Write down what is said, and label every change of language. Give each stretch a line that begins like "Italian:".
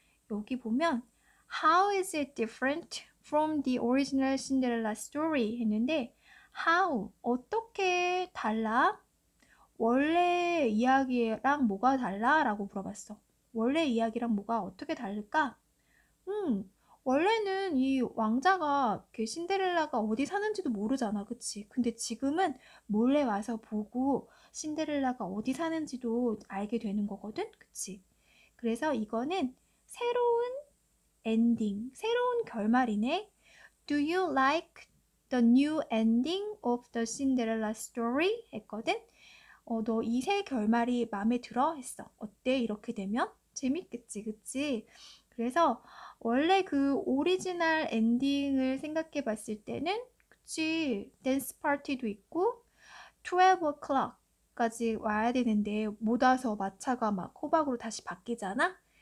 Korean: 여기 보면
English: How is it different from the original Cinderella story?
Korean: 했는데
English: How,
Korean: 어떻게 달라? 원래 이야기랑 뭐가 달라? 라고 물어봤어. 원래 이야기랑 뭐가 어떻게 다를까? 원래는 이 왕자가 그 신데렐라가 어디 사는지도 모르잖아, 그치? 근데 지금은 몰래 와서 보고 신데렐라가 어디 사는지도 알게 되는 거거든, 그치? 그래서 이거는 새로운 엔딩, 새로운 결말이네.
English: Do you like the new ending of the Cinderella story?
Korean: 했거든. 너 이 새 결말이 마음에 들어? 했어. 어때? 이렇게 되면 재밌겠지, 그치? 그래서 원래 그 오리지널 엔딩을 생각해 봤을 때는, 그치, 댄스 파티도 있고 12 o'clock까지 와야 되는데 못 와서 마차가 막 호박으로 다시 바뀌잖아.